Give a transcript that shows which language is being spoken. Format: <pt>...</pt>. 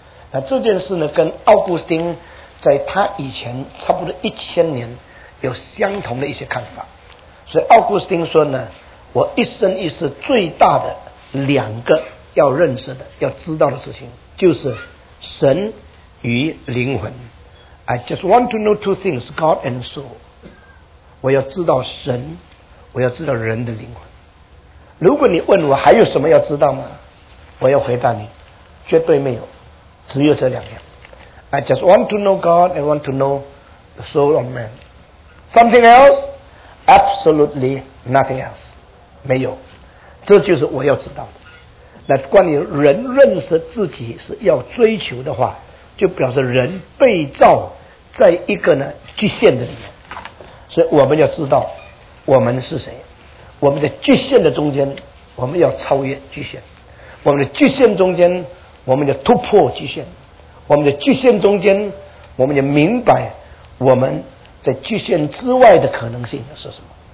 <zh>那这件事呢，跟奥古斯丁在他以前差不多1000年有相同的一些看法。所以奥古斯丁说呢，我一生一世最大的两个要认识的、要知道的事情，就是神与灵魂。</zh> <en>I just want to know two things, God and soul.</en> <zh>我要知道神，我要知道人的灵魂。如果你问我还有什么要知道吗？我要回答你，绝对没有。只有这两样。</zh> <en>I just want to know God and want to know the soul of man. Something else? Absolutely nothing else.</en> <zh>没有，这就是我要知道的。那关于人认识自己是要追求的话，就表示人被造在一个呢局限的里面。所以我们要知道我们是谁，我们在局限的中间我们要超越局限，我们的局限中间我们就突破局限，我们的局限中间我们就明白我们在局限之外的可能性是什么。</zh>